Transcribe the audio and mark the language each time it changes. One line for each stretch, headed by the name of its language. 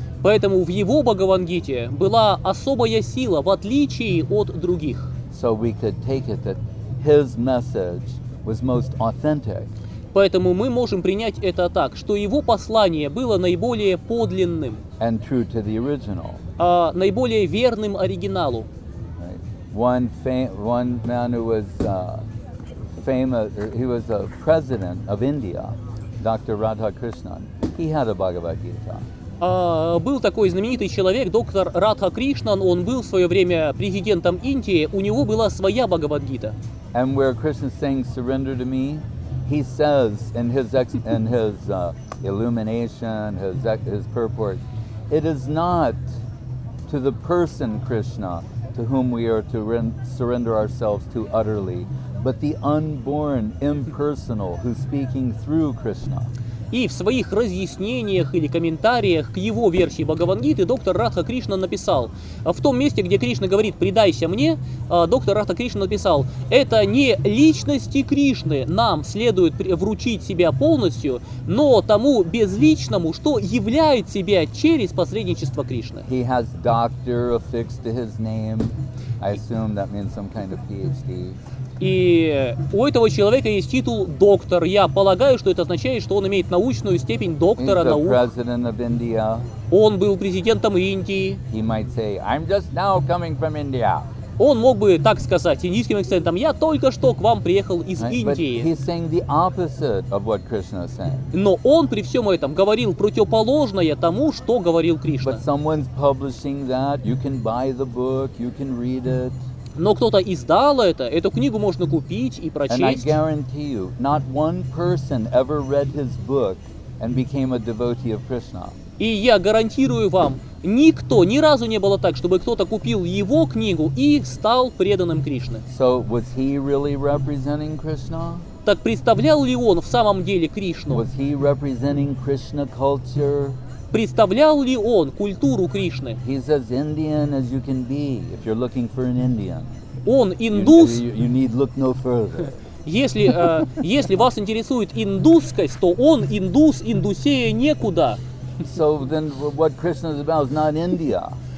Russian: Поэтому в его Бхагавад-гите была особая сила в отличие от других.
English: So we could take it that his message was most authentic.
Russian: Поэтому мы можем принять это так, что его послание было наиболее подлинным.
English: And true to the original.
Russian: Наиболее верным оригиналу.
English: He was a president of India, Dr. Radhakrishnan. He had a Bhagavad Gita.
Russian: Был такой знаменитый человек, доктор Радха Кришнан, он был в свое время президентом Индии, у него была своя Бхагавад-гита.
English: And where Krishna saying surrender to me, he says in his illumination, his purport, it is not to the person Krishna to whom we are to surrender ourselves to utterly, but the unborn, impersonal, who's speaking through Krishna.
Russian: И в своих разъяснениях или комментариях к его версии Бхагавад-гиты доктор Радха Кришна написал, в том месте, где Кришна говорит «предайся мне», доктор Радха Кришна написал, «это не личности Кришны нам следует вручить себя полностью, но тому безличному, что являет себя через посредничество Кришны».
English: He has doctor affixed to his name. I assume that means some kind of PhD.
Russian: И у этого человека есть титул доктор. Я полагаю, что это означает, что он имеет научную степень доктора наук.
English: He's the president of India.
Russian: Он был президентом Индии.
English: He might say, I'm just now coming from India.
Russian: Он мог бы так сказать, индийским акцентом, я только что к вам приехал из Индии.
English: But he's saying the opposite of what Krishna is saying.
Russian: Но он при всем этом говорил противоположное тому, что говорил Кришна.
English: But someone's publishing that, you can buy the book, you can read it.
Russian: Но кто-то издал это, эту книгу можно купить и прочесть.
English: And I guarantee you, not one person ever read his book and became a devotee of Krishna.
Russian: И я гарантирую вам, никто, ни разу не было так, чтобы кто-то купил его книгу и стал преданным Кришне.
English: So was he really representing Krishna?
Russian: Так представлял ли он в самом деле Кришну?
English: Was he representing Krishna culture?
Russian: Представлял ли он культуру Кришны?
English: He's as Indian as you can be if you're looking for an Indian.
Russian: Он индус.
English: You need look no further.
Russian: Если вас интересует индусскость, то он индус, индусея некуда.
English: So then what Krishna is about is not India.